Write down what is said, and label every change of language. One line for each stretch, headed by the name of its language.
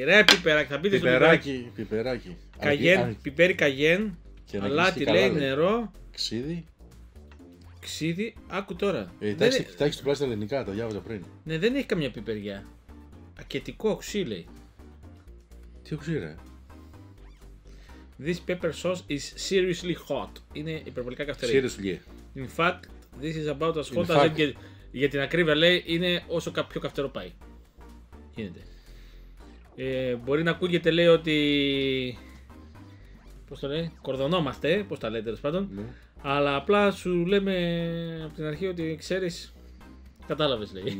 Greek: Ρε πιπεράκι, θα πείτε πιπεράκι, στο πιπεράκι. Καγέν, πιπέρι καγέν. Αλάτι λέει, νερό. Ξίδι. Ξίδι, άκου τώρα. Κοιτάξτε τουλάχιστον τα ελληνικά, τα διάβαζα πριν. Ναι, δεν έχει καμιά πιπεριά. Ακετικό οξύ λέει. Τι οξύ ρε.
English: This pepper sauce is seriously hot.
Greek: Είναι υπερβολικά καυτερή.
English: Seriously. In fact, this is about as hot as it gets.
Greek: Για την ακρίβεια λέει, είναι όσο πιο καυτερό πάει. Γίνεται. Μπορεί να ακούγεται λέει ότι... Πώς το λέει, κορδωνόμαστε, πώς τα λέει τέλος πάντων. Ναι. Αλλά απλά σου λέμε από την αρχή ότι ξέρεις, κατάλαβες λέει.